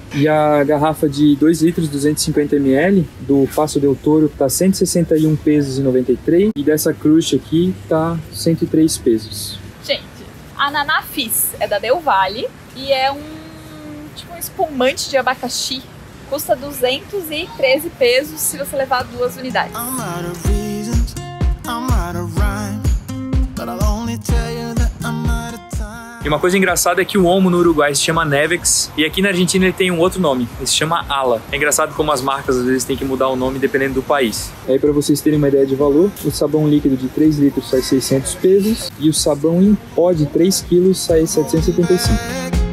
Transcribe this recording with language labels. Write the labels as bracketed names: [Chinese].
[Portuguese] E a garrafa de 2 litros, 250 ml, do Paso del Toro, tá 161 pesos e 93. E dessa Crush aqui, tá 103 pesos. Gente, a Naná Fizz é da Del Valle. E é um tipo um espumante de abacaxi. Custa 213 pesos se você levar duas unidades. [English] I'm out of reasons, I'm out of rhyme, but I'll only tell you that I'm out of time. [Portuguese] E uma coisa engraçada é que o Omo no Uruguai se chama Nevex e aqui na Argentina ele tem um outro nome, ele se chama Ala. É engraçado como as marcas às vezes têm que mudar o nome dependendo do país. E aí, para vocês terem uma ideia de valor, o sabão líquido de 3 litros sai 600 pesos e o sabão em pó de 3 quilos sai 775.